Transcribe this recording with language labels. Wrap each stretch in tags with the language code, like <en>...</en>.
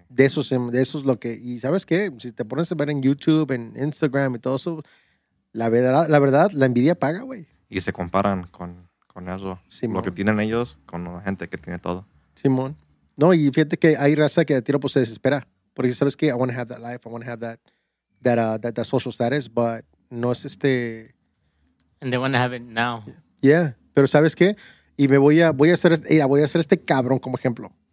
<es>De eso es lo que... Y ¿sabes qué? Si te pones a ver en YouTube, en Instagram y todo eso, la verdad, la envidia paga, güey. Y se comparan con eso, Simón. Lo que tienen ellos, con la gente que tiene todo. Simón. No, y fíjate que hay raza que a tiro pues se desespera. Porque sabes que</es> <en>I want to have that life, I want to have that social status, but</en> <es>no es</es> <en>And they want to have it now. Yeah,</en> <es>pero ¿sabes qué? Y me voy a hacer este cabrón como ejemplo.</es>